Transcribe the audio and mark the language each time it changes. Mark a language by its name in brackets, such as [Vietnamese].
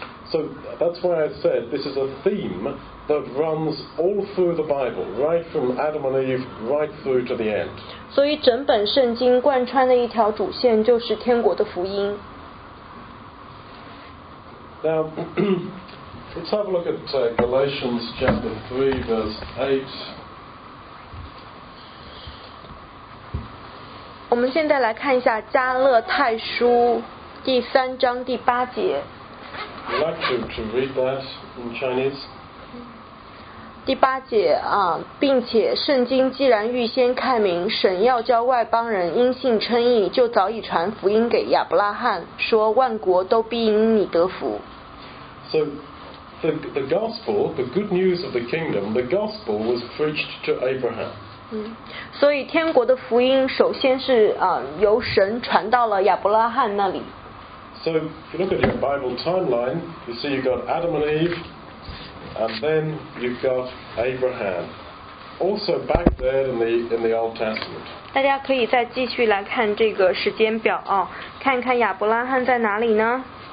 [English] So that's why I said this is a theme that runs all through the Bible, right from Adam and Eve right through to the end. [Chinese] 所以整本圣经贯穿的一条主线就是天国的福音。 [English] NowLet's have a look at Galatians chapter 3, verse 8. [Chinese] 我们现在来看一下加勒太书第三章第八节。 [English] I'd like to read that in Chinese. [Chinese] 第八节并且圣经既然预先开明，神要教外邦人因信称义，就早已传福音给亚伯拉罕，说万国都必因你得福。 [English] So,The gospel, the good news of the kingdom, the gospel was preached to Abraham. [Chinese] 所以天国的福音首先是由神传到了亚伯拉罕那里。 [English] So if you look at your Bible timeline, you see you've got Adam and Eve, and then you've got Abraham. Also back there in the Old Testament. [Chinese] 大家可以再继续来看这个时间表看看亚伯拉罕在哪里呢？